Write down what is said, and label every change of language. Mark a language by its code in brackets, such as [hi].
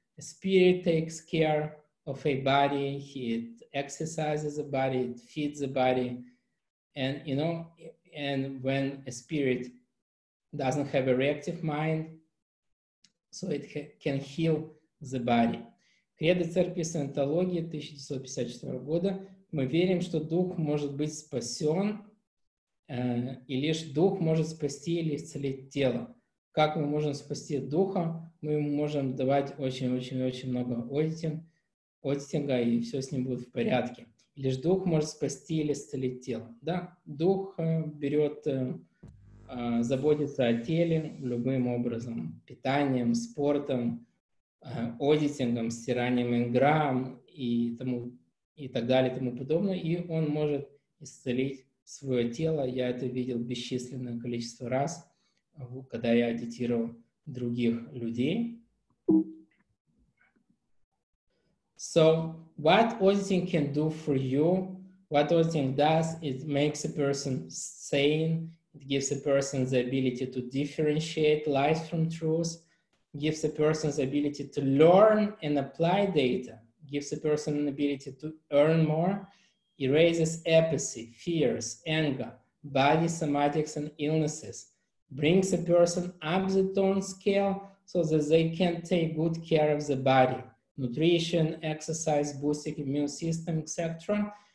[en] A spirit takes care of a body, it exercises the body, it feeds the body. And you know, and when a spirit doesn't have a reactive mind, so it can heal the body. [ru] Креды церкви Саентологии 1954 года. Мы верим, что дух может быть спасен, и лишь дух может спасти или исцелить тело. Как мы можем спасти духа? Мы можем давать очень-очень-очень много одитинга, и все с ним будет в порядке. Лишь дух может спасти или исцелить тело. Да, дух берет, заботится о теле любым образом. Питанием, спортом, одитингом, стиранием инграм и тому и так далее, и тому подобное, и он может исцелить свое тело. Я это видел бесчисленное количество раз, когда я аудитировал других людей. [en] So, what auditing can do for you, what auditing does, it makes a person sane, it gives a person the ability to differentiate lies from truth, gives a person the ability to learn and apply data, gives a person an ability to earn more, erases apathy, fears, anger, body somatics and illnesses, brings a person up the tone scale so that they can take good care of the body, nutrition, exercise, boosting immune system, etc.